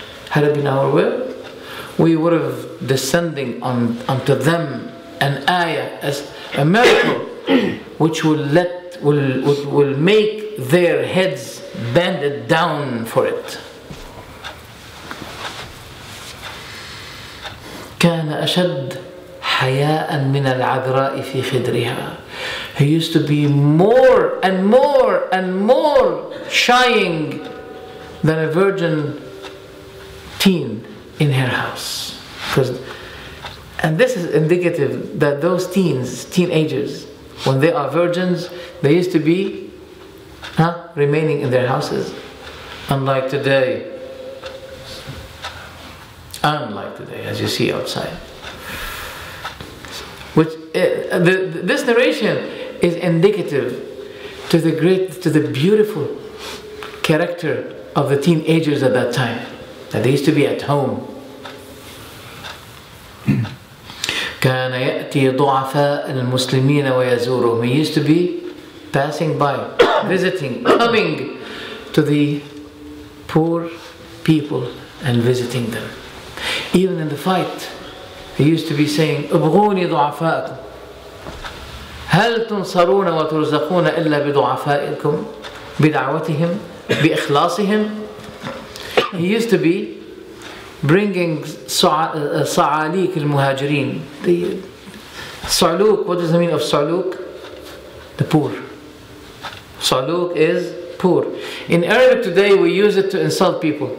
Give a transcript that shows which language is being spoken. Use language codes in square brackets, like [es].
[en] Had it been our will, we would have descending onto them an ayah, as a miracle, which will make their heads banded down for it. [ar] كان أشد حياء من العذراء في خدرها. [en] He used to be more and more and more shying than a virgin teen in her house. And this is indicative that those teenagers, when they are virgins, they used to be remaining in their houses. Unlike today, as you see outside. This narration is indicative to the great, to the beautiful character of the teenagers at that time, that they used to be at home. [ar] كان يأتي ضعفاء المسلمين ويزورهم. [en] He used to be passing by, visiting, coming to the poor people and visiting them. Even in the fight, he used to be saying, [ar] أبغوني ضعفاءكم. هل تنصرون وترزقون إلا بضعفائكم بدعوتهم بإخلاصهم. [en] He used to be bringing [ar] صعاليك المهاجرين. [en] صعلوك, what does the meaning of صعلوك? The poor. صعلوك is poor. In Arabic today, we use it to insult people.